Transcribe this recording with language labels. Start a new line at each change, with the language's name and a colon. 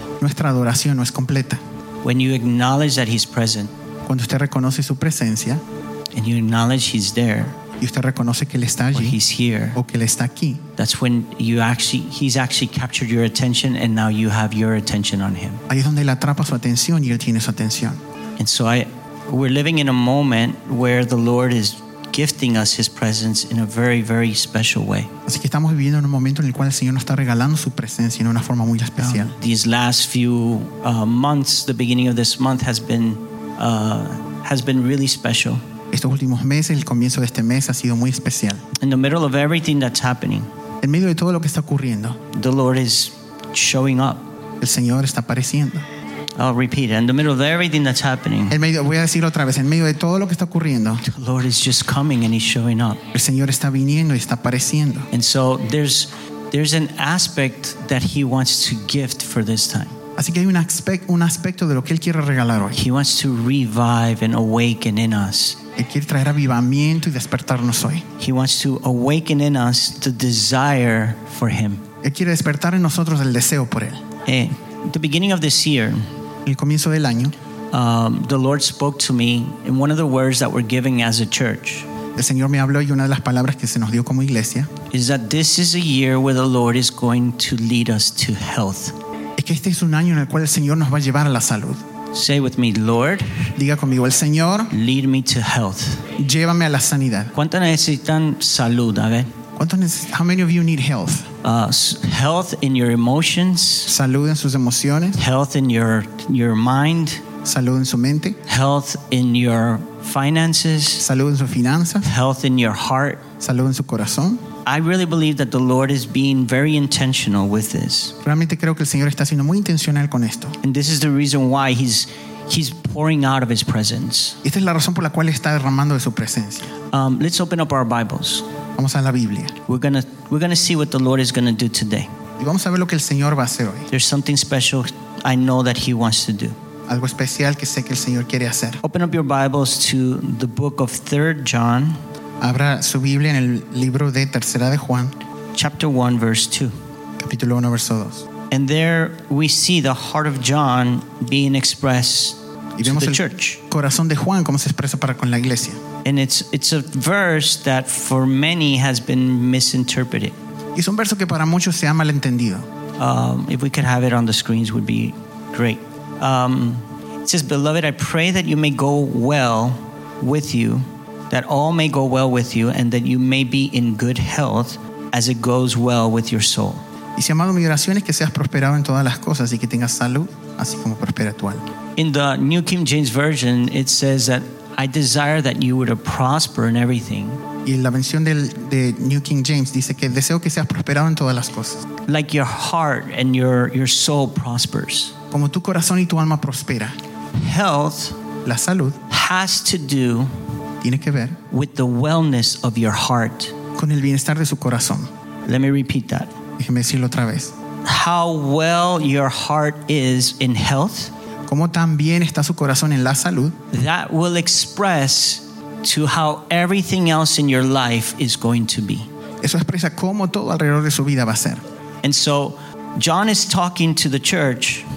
Spanish: Nuestra adoración no es completa.
English: When you acknowledge that He's present,
Spanish: cuando usted reconoce su presencia,
English: and you acknowledge He's there,
Spanish: y usted reconoce que él está allí,
English: or He's here,
Spanish: o que él está aquí,
English: that's when you actually He's actually captured your attention, and now you have your attention on Him.
Spanish: Ahí es donde él atrapa su atención y él tiene su atención.
English: And so we're living in a moment where the Lord is gifting us His presence in a very, very special way.
Spanish: Así que estamos viviendo en un momento en el cual el Señor nos está regalando su presencia en una forma muy especial.
English: These last few months, the beginning of this month has been really special.
Spanish: Estos últimos meses, el comienzo de este mes ha sido muy especial.
English: In the middle of everything that's happening,
Spanish: en medio de todo lo que está ocurriendo,
English: the Lord is showing up.
Spanish: El Señor está apareciendo.
English: I'll repeat it. In the middle of everything that's happening,
Spanish: voy a decirlo otra vez. En medio de todo lo que está ocurriendo,
English: the Lord is just coming and He's showing up.
Spanish: El Señor está viniendo y está apareciendo.
English: And so there's an aspect that He wants to gift for this time.
Spanish: Así que hay un aspecto de lo que Él quiere regalar hoy.
English: He wants to revive and awaken in us.
Spanish: Él quiere traer avivamiento y despertarnos hoy.
English: He wants to awaken in us the desire for Him.
Spanish: Él quiere despertar en nosotros el deseo por Él.
English: Hey. At the beginning of this year,
Spanish: el comienzo del año,
English: the Lord spoke to me in one of the words that we're giving as a church.
Spanish: El Señor me habló y una de las palabras que se nos dio como iglesia
English: is that this is a year where the Lord is going to lead us to health.
Spanish: Es que este es un año en el cual el Señor nos va a llevar a la salud.
English: Say with me, Lord.
Spanish: Diga conmigo, el Señor.
English: Lead me to health.
Spanish: Llévame a la sanidad. ¿Cuántos necesitan salud, a ver?
English: How many of you need health? Health in your emotions.
Spanish: Salud en sus emociones.
English: Health in your mind.
Spanish: Salud en su mente.
English: Health in your finances.
Spanish: Salud en sus finanzas.
English: Health in your heart.
Spanish: Salud en su corazón.
English: I really believe that the Lord is being very intentional with this.
Spanish: Realmente creo que el Señor está siendo muy intencional con esto.
English: And this is the reason why he's pouring out of His presence.
Spanish: Esta es la razón por la cual está derramando de su presencia.
English: Let's open up our Bibles.
Spanish: Vamos a la Biblia.
English: We're gonna see what the Lord is gonna do today.
Spanish: Y vamos a ver lo que el Señor va a hacer hoy.
English: There's something special I know that He wants to do.
Spanish: Algo especial que sé que el Señor quiere hacer.
English: Open up your Bibles to the book of 3 John.
Spanish: Abra su Biblia en el libro de Tercera de Juan.
English: Chapter 1, verse 2.
Spanish: Capítulo 1, verso 2.
English: And there we see the heart of John being expressed to the church.
Spanish: Corazón de Juan cómo se expresa para con la iglesia.
English: And it's a verse that for many has been misinterpreted.
Spanish: Es un verso que para muchos se ha malentendido.
English: If we could have it on the screens, would be great. It says, "Beloved, I pray that you may go well with you, that all may go well with you, and that you may be in good health as it goes well with your soul."
Spanish: Y si amado, mi oración es que seas prosperado en todas las cosas y que tengas salud, así como prospera tu alma.
English: In the New King James Version, it says that I desire that you would prosper in everything.
Spanish: Y la versión de New King James dice que deseo que seas prosperado en todas las cosas.
English: Like your heart and your soul prospers.
Spanish: Como tu corazón y tu alma prospera.
English: Health,
Spanish: la salud,
English: has to do,
Spanish: tiene que ver,
English: with the wellness of your heart.
Spanish: Con el bienestar de su corazón.
English: Let me repeat that.
Spanish: Déjeme decirlo otra vez.
English: How well your heart is in health.
Spanish: Cómo tan bien está su corazón en la salud.
English: That will express to how everything else in your life is going to be.
Spanish: Eso expresa cómo todo alrededor de su vida va a ser.
English: And so John is talking to the church.